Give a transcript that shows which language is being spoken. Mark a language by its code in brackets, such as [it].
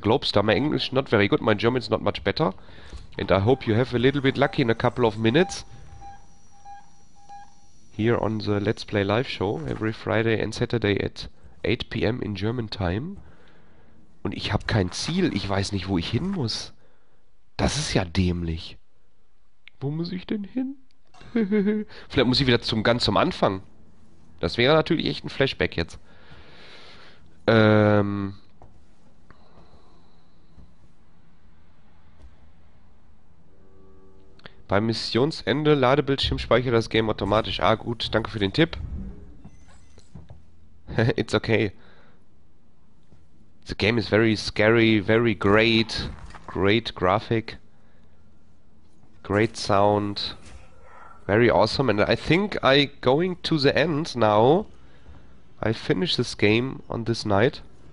[en] Globster, my English not very good, my German is not much better. And I hope you have a little bit lucky in a couple of minutes. Here on the Let's Play Live Show, every Friday and Saturday at 8 p.m. in German time. [de] Und ich habe kein Ziel, ich weiß nicht, wo ich hin muss. Das ist ja dämlich. Wo muss ich denn hin? Vielleicht muss ich wieder ganz zum Anfang. Das wäre natürlich echt ein Flashback jetzt. Beim Missionsende Ladebildschirm speichert das Game automatisch. Ah, gut, danke für den Tipp. [en] It's okay. The game is very scary, very great. Great graphic. Great sound. Very awesome. And I think I going to the end now. I finish this game on this night.